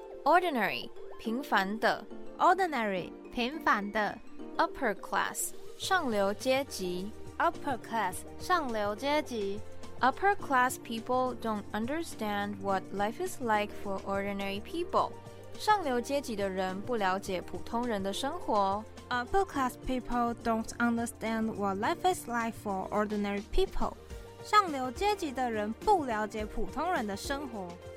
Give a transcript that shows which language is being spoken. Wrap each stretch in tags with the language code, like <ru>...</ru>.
<zh>Ordinary 平凡的 Ordinary 平凡的 Upper class 上流阶级 Upper class 上流阶级</zh> <en>Upper class people don't understand what life is like for ordinary people。</en> <zh>上流阶级的人不了解普通人的生活。</zh> <en>Upper class people don't understand what life is like for ordinary people。</en> <zh>上流阶级的人不了解普通人的生活。</zh>